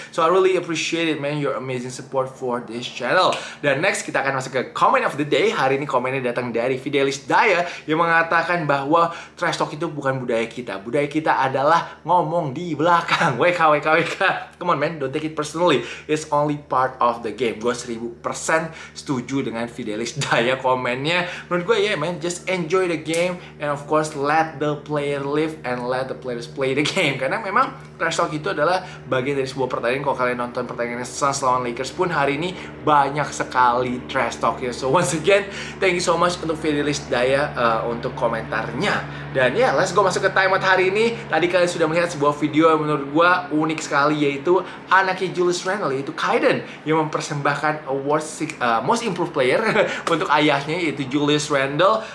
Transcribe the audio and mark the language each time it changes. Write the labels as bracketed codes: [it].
[en] So I really appreciate it man, your amazing support for this channel. [id] Dan next kita akan masuk ke [en] comment of the day. [id] Hari ini komennya datang dari Fidelis Daya yang mengatakan bahwa trash talk itu bukan budaya kita. Budaya kita adalah ngomong di belakang. [en] WKWKWK, come on man, don't take it personally, it's only part of the game. [id] Gue 1000% setuju dengan Fidelis Daya komennya. Menurut gue, [en] yeah man, just enjoy the game and of course let the player live and let the players play the game. [id] Karena memang trash talk itu adalah bagian dari sebuah pertandingan. Kalau kalian nonton pertandingan Suns lawan Lakers pun hari ini banyak sekali trash talk ya. [en] So once again, thank you so much [id] untuk Fidelis Daya untuk komentarnya. Dan yeah, [en] let's go [id] masuk ke timeout hari ini. Tadi kalian sudah melihat sebuah video yang menurut gue unik sekali, yaitu anaknya Julius Randle, yaitu Kaiden, yang mempersembahkan award most improved player untuk ayahnya, yaitu Julius Randle.